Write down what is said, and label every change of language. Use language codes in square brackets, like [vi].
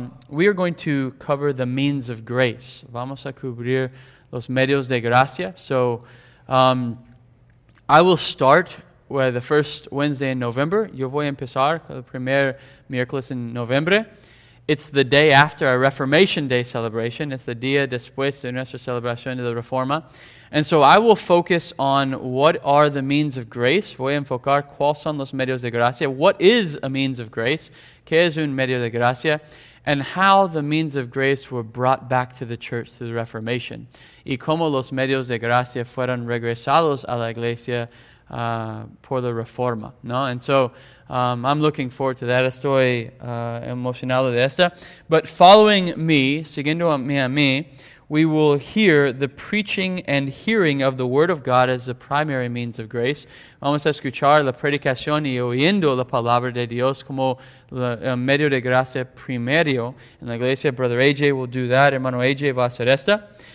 [en] We are going to cover the means of grace. [es] Vamos a cubrir los medios de gracia. [en] So I will start with the first Wednesday in November. [es] Yo voy a empezar con el primer miércoles en noviembre. [en] It's the day after our Reformation Day celebration. It's the [es] día después de nuestra celebración de la Reforma. [en] And so I will focus on what are the means of grace. [es] Voy a enfocar cuáles son los medios de gracia. [en] What is a means of grace? [es] ¿Qué es un medio de gracia? [en] And how the means of grace were brought back to the church through the Reformation. [es] Y cómo los medios de gracia fueron regresados a la iglesia por la Reforma, ¿no? [en] And so I'm looking forward to that. [es] Estoy emocionado de esta. [en] But following me, [es] siguiendo a mí, [en] we will hear the preaching and hearing of the Word of God as the primary means of grace. [es] Vamos a escuchar la predicación y oyendo la palabra de Dios como el medio de gracia primario. En la iglesia, [en] Brother AJ will do that. [es] Hermano AJ va a hacer esta.